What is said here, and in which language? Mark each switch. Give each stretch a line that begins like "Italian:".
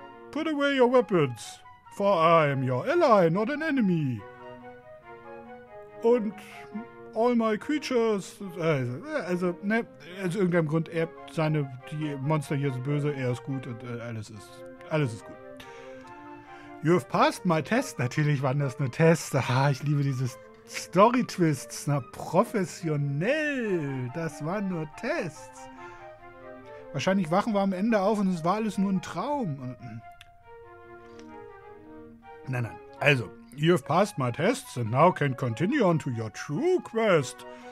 English: Put away your weapons, for I am your ally, not an enemy! And all my creatures...
German: Aus irgendeinem Grund, die Monster hier sind böse, er ist gut und alles ist gut.
English: You have passed my test.
German: Natürlich waren das nur Tests. Aha, ich liebe diese Story-Twists. Na, professionell. Das waren nur Tests. Wahrscheinlich wachen wir am Ende auf und es war alles nur ein Traum. Nein.
English: Also, you have passed my tests and now can continue on to your true quest.